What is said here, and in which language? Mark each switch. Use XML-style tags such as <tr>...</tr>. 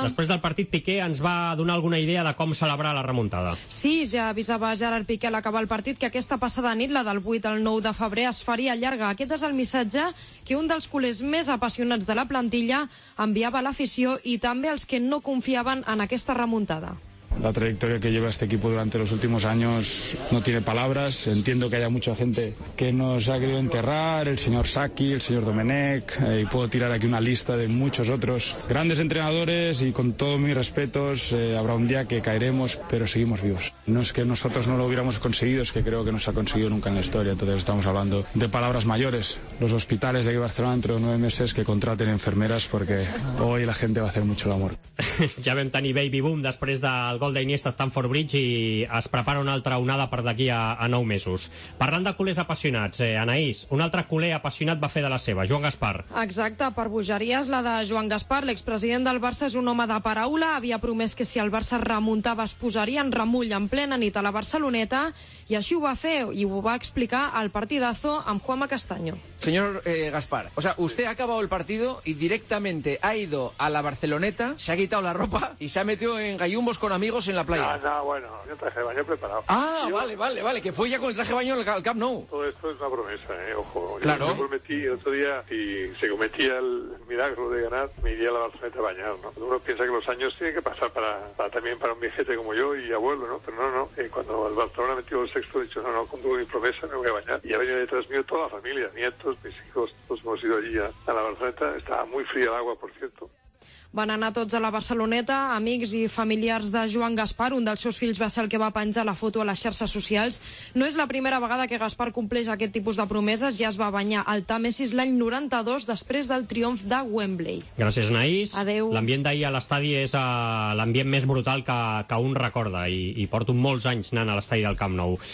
<ca>Després del partit, Piqué ens va donar alguna idea de com celebrar la remuntada. Sí, ja avisava Gerard Piqué a l'acabar el partit que aquesta passada nit, la del 8 al 9 de febrer, es faria llarga. Aquest és el missatge que un dels culers més apassionats de la plantilla enviava a l'afició i també als que no confiaban en aquesta remontada.</ca> <es>La trayectoria que lleva este equipo durante los últimos años no tiene palabras. Entiendo que haya mucha gente que nos ha querido enterrar, el señor Sacchi, el señor Domenech, y puedo tirar aquí una lista de muchos otros grandes entrenadores, y con todos mis respetos, habrá un día que caeremos, pero seguimos vivos. No es que nosotros no lo hubiéramos conseguido, es que creo que no se ha conseguido nunca en la historia. Entonces estamos hablando de palabras mayores. Los hospitales de aquí Barcelona, dentro de 9 meses, que contraten enfermeras, porque hoy la gente va a hacer mucho el amor.</es> <ca>Ja vam tenir baby boom després del gol d'Iniesta a Stamford Bridge i es prepara una altra onada per d'aquí a 9 mesos. Parlant de culers apassionats, Anaïs, un altre culer apassionat va fer de la seva, Joan Gaspar. Exacte, per bogeries la de Joan Gaspar. L'expresident del Barça és un home de paraula, havia promès que si el Barça remuntava es posaria en remull en plena nit a la Barceloneta, i així ho va fer i ho va explicar al partidazo amb Juanma Castaño.</ca> <es>Señor Gaspar, o sea, usted ha acabado el partido y directamente ha ido a la Barceloneta, se ha quitado la ropa y se ha metido en gallumbos con amigos en la playa. Ah, no, bueno, yo traje baño preparado. Ah, yo... vale, que fue ya con el traje baño al Camp Nou. Todo esto es una promesa, ojo. Claro. Yo me prometí el otro día, si se cometía el milagro de ganar, me iría a la Barceloneta a bañar, ¿no? Uno piensa que los años tienen que pasar para un viejete como yo y abuelo, ¿no? Pero no, cuando el Barcelona metió el sexto, he dicho, no, cumplo mi promesa, me voy a bañar. Y ha venido detrás mío toda la familia, nietos, mis hijos, todos hemos ido allí a la Barceloneta. Estaba muy fría el agua, por cierto.</es> <ca>Van anar tots a la Barceloneta, amics i familiars de Joan Gaspar. Un dels seus fills va ser el que va penjar la foto a les xarxes socials. No és la primera vegada que Gaspar compleix aquest tipus de promeses. Ja es va banyar al Tàmesis l'any 92 després del triomf de Wembley. Gràcies, Naís. Adeu. L'ambient d'ahir a l'estadi és l'ambient més brutal que un recorda, i porto molts anys anant a l'estadi del Camp Nou.</ca>